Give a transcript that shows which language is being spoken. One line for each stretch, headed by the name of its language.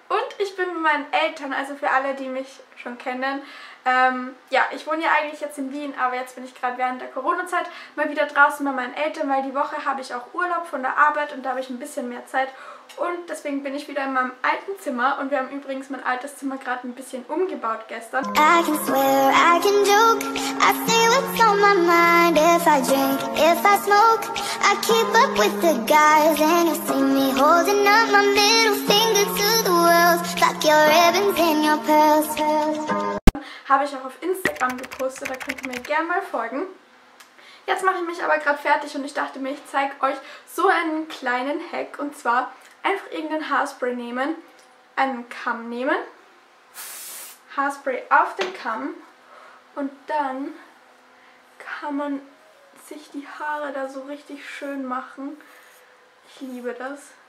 German: Und ich bin mit meinen Eltern, also für alle, die mich schon kennen. Ja, ich wohne ja eigentlich jetzt in Wien, aber jetzt bin ich gerade während der Corona-Zeit mal wieder draußen bei meinen Eltern, weil die Woche habe ich auch Urlaub von der Arbeit und da habe ich ein bisschen mehr Zeit. Und deswegen bin ich wieder in meinem alten Zimmer und wir haben übrigens mein altes Zimmer gerade ein bisschen umgebaut gestern.
English: I can swear, I can joke, I see what's on my mind if I drink, if I smoke. I keep up with the guys and you see me holding up my middle finger to the world. Fuck your ribbons and your pearls.
German: Habe ich auch auf Instagram gepostet, da könnt ihr mir gerne mal folgen. Jetzt mache ich mich aber gerade fertig und ich dachte mir, ich zeige euch so einen kleinen Hack. Und zwar einfach irgendein Haarspray nehmen, einen Kamm nehmen, Haarspray auf den Kamm und dann kann man sich die Haare da so richtig schön machen. Ich liebe das.